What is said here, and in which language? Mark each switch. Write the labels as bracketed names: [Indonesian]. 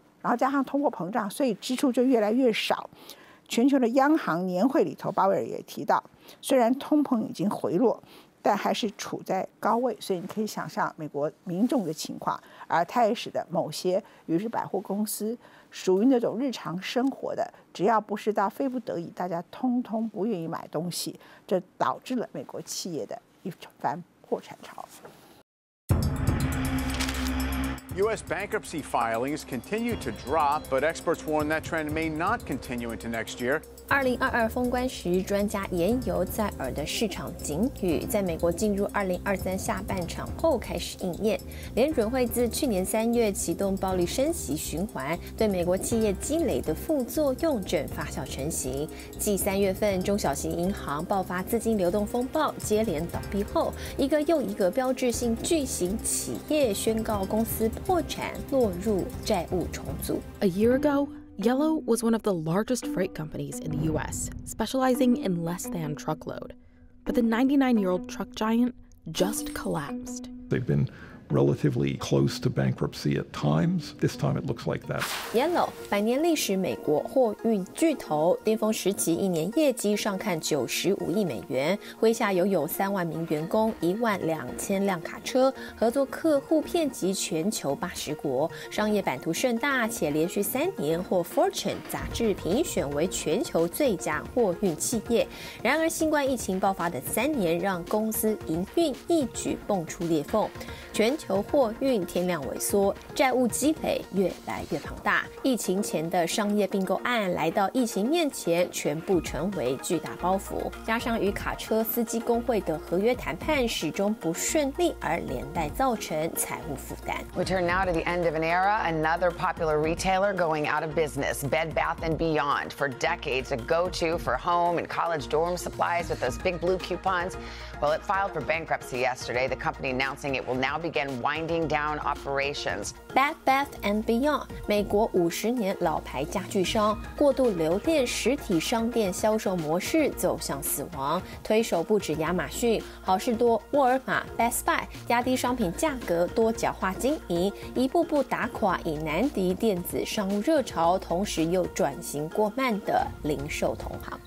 [Chinese] 然后加上通货膨胀，所以支出就越来越少。全球的央行年会里头，鲍威尔也提到，虽然通膨已经回落，但还是处在高位，所以你可以想象美国民众的情况。而它也使得某些，比如是百货公司，属于那种日常生活的，只要不是到非不得已，大家通通不愿意买东西，这导致了美国企业的一番破产潮。 [English] U.S. bankruptcy filings continue to drop, but experts warn that trend may not continue into next year. [Chinese] 2022封关时，专家言犹在耳的市场警语，在美国进入2023下半场后开始应验。联准会自去年3月启动暴力升息循环，对美国企业积累的副作用正发酵成型。继3月份中小型银行爆发资金流动风暴，接连倒闭后，一个又一个标志性巨型企业宣告公司破产，落入债务重组。 [English] A year ago. Yellow was one of the largest freight companies in the U.S., specializing in less than truckload. But the 99-year-old truck giant just collapsed. They've been relatively close to bankruptcy at times. This time it looks like that. [Chinese] Yellow, 百年历史美国货运巨头，巅峰时期一年业绩上看95亿美元，麾下拥有30,000名员工、12,000辆卡车，合作客户遍及全球80国，商业版图甚大，且连续3年获 Fortune 杂志评选为全球最佳货运企业。然而，新冠疫情爆发的3年让公司营运一举蹦出裂缝，全球货运天量萎缩，债务积累越来越庞大，疫情前的商业并购案来到疫情面前全部成为巨大包袱，加上与卡车司机工会的合约谈判始终不顺利，而连带造成财务负担。 [English] We turn now to the end of an era, another popular retailer going out of business, Bed Bath and Beyond, for decades a go-to for home and college dorm supplies with those big blue coupons. Well, it filed for bankruptcy yesterday, the company announcing it will now begin winding down operations. [Chinese] Bed Bath and Beyond, 美国50年老牌家具商，过度留恋实体商店销售模式走向死亡。推手不止亚马逊、好事多、沃尔玛、Best Buy， 压低商品价格，多角化经营，一步步打垮已难敌电子商务热潮，同时又转型过慢的零售同行。